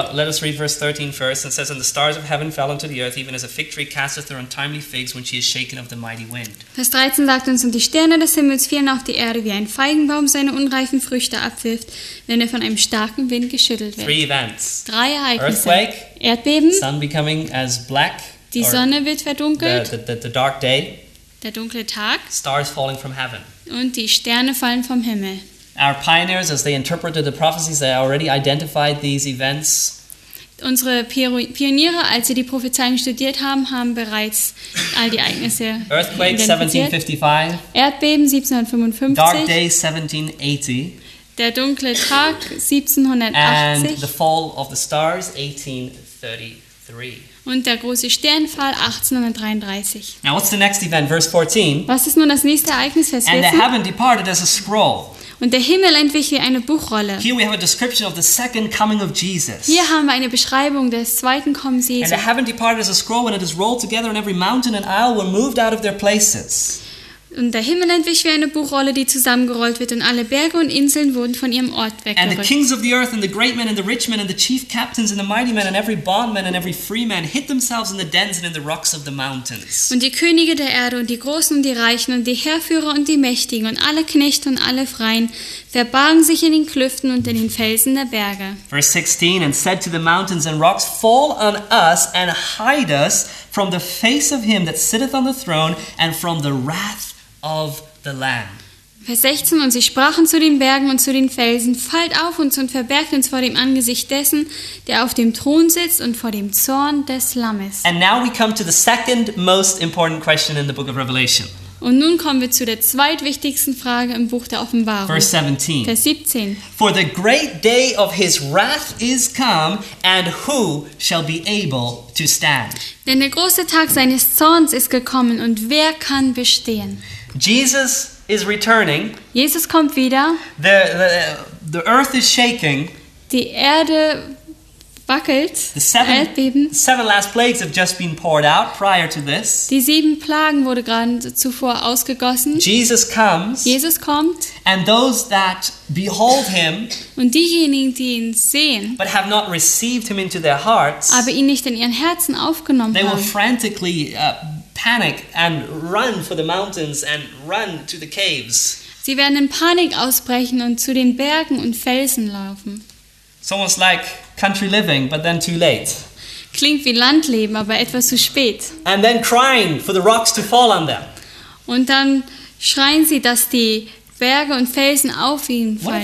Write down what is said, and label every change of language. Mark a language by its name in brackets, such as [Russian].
[English] Let us read verse 13 first, and says, and the stars of heaven fell unto the earth, even as a fig tree casteth her untimely figs, when she is shaken of the mighty wind. [German] Vers 13 sagt uns, und die Sterne des Himmels fielen auf die Erde, wie ein Feigenbaum seine unreifen Früchte abwirft, wenn er von einem starken Wind geschüttelt wird. [English] Three events. [German] Drei Ereignisse. [English] Earthquake. [German] Erdbeben, [English] sun becoming as black, [German] die Sonne wird verdunkelt, [English] the dark day, [German] der dunkle Tag, [English] stars falling from heaven, [German] und die Sterne fallen vom Himmel. [English] Our pioneers, as they interpreted the prophecies, they already identified these events. [German] Unsere Pioniere, als sie die Prophezeiungen studiert haben, haben bereits all die Ereignisse identifiziert. [English] Earthquake 1755, [German] Erdbeben 1755, [English] dark day 1780, [German] der dunkle Tag 1780 [English] and the fall of the stars 1833 [German] und der große Sternfall 1833. [English] Now what's the next event, verse 14? [German] Was ist nun das nächste Ereignis, Vers 14? [English] And the heaven departed as a scroll. [German] Und der Himmel entwich wie eine Buchrolle. [English] Here we have a description of the second coming of Jesus. [German] Hier haben wir eine Beschreibung des zweiten Kommens Jesu. [English] And the heaven departed as a scroll when it is rolled together and every mountain and isle were moved out of their places. [German] und der Himmel entwich wie eine Buchrolle, die zusammengerollt wird, und alle Berge und Inseln wurden von ihrem Ort weggerückt. [English] And the kings of the earth and the great men and the rich men and the chief captains and the mighty men and every bondman and every free man hid themselves in the dens and in the rocks of the mountains. [German] Und die Könige der Erde und die Großen und die Reichen und die Heerführer und die Mächtigen und alle Knechte und alle Freien verbargen sich in den Klüften und in den Felsen der Berge. [English] Verse 16, and said to the mountains and rocks, fall on us and hide us from the face of him that sitteth on the throne and from the wrath of the Lamb. [German] Vers 16, und sie sprachen zu den Bergen und zu den Felsen, fallt auf uns und verbergt uns vor dem Angesicht dessen, der auf dem Thron sitzt und vor dem Zorn des Lammes. [English] And now we come to the second most important question in the book of Revelation. [German] Und nun kommen wir zu der zweitwichtigsten Frage im Buch der Offenbarung. [English] Verse 17. [German] Vers 17. [English] For the great day of his wrath is come, and who shall be able to stand? [German] Denn der große Tag seines Zorns ist gekommen, und wer kann bestehen? [English] Jesus is returning. [German] Jesus kommt wieder. [English] The earth is shaking. [German] Die Erde wackelt. [English] Seven last plagues have just been poured out prior to this. [German] Die sieben Plagen wurde gerade zuvor ausgegossen. [English] Jesus comes. [German] Jesus kommt. [English] And those that behold him, [German] und diejenigen, die ihn sehen, [English] but have not received him into their hearts, [German] aber ihn nicht in ihren Herzen aufgenommen haben, [English] they will frantically panic and run for the mountains and run to the caves. [German] Sie werden in Panik ausbrechen und zu den Bergen und Felsen laufen. [English] It's almost like country living, but then too late. [German] Klingt wie Landleben, aber etwas zu spät. [English] And then crying for the rocks to fall on them. [German] Und dann schreien sie, dass die Berge und Felsen auf ihnen fallen.